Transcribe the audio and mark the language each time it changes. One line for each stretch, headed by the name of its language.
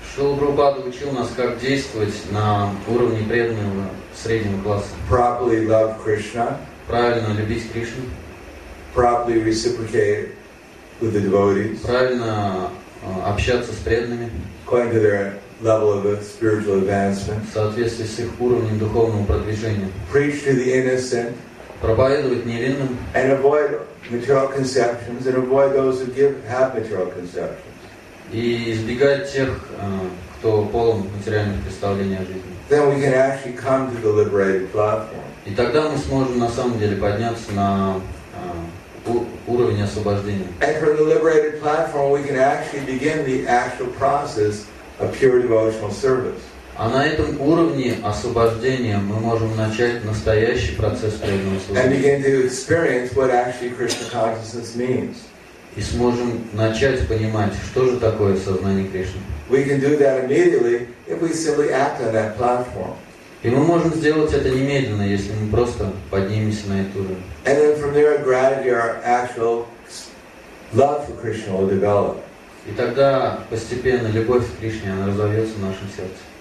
Russian: Шрила Прабхупада учил нас, как действовать на уровне преданного среднего класса.
English: Properly love Krishna.
Russian: Правильно любить Кришну.
English: Properly reciprocate with the devotees.
Russian: Правильно общаться с преданными.
English: According to their level of spiritual advancement.
Russian: В соответствии с их уровнем духовного продвижения.
English: Preach to the innocent.
Russian: Проповедовать невинным.
English: And avoid material conceptions. And avoid those who give have material conceptions.
Russian: И избегать тех, кто полон материальных представлений о жизни.
English: Then we can actually come to the liberated platform.
Russian: И тогда мы сможем на самом деле подняться на уровень освобождения.
English: And from the liberated platform, we can actually begin the actual process of pure devotional service.
Russian: А на этом уровне освобождения мы можем начать настоящий процесс преданного служения.
English: And begin to experience what actually Krishna consciousness means.
Russian: И сможем начать понимать, что же такое сознание Кришны.
English: We can do that immediately if we simply act on that platform.
Russian: И мы можем сделать это немедленно, если мы просто поднимемся на эту уровень.
English: And then from there, gradually our actual love for Krishna will develop.
Russian: И тогда постепенно любовь к Кришне она разовьется в нашем сердце.